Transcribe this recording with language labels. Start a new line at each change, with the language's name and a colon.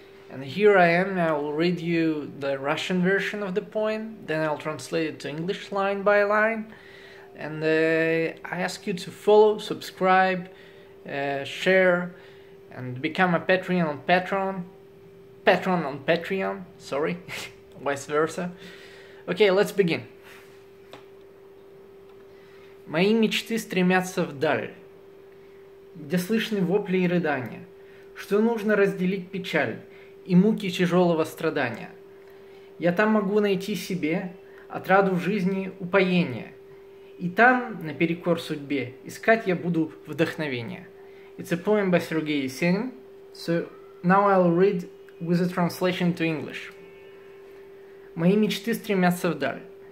English: And here I am, I will read you the Russian version of the poem, then I'll translate it to English line by line. And I ask you to follow, subscribe, share, and become a Patreon, vice versa. Okay, let's begin.
Russian: Мои мечты стремятся вдаль, где слышны вопли и рыдания, что нужно разделить печаль и муки тяжелого страдания. Я там могу найти себе отраду в жизни упоение, и там, наперекор судьбе, искать я буду вдохновение.
English: It's a poem by Сергей Есенин. So now I'll read with a translation to English.
Russian: Мои мечты стремятся вдаль.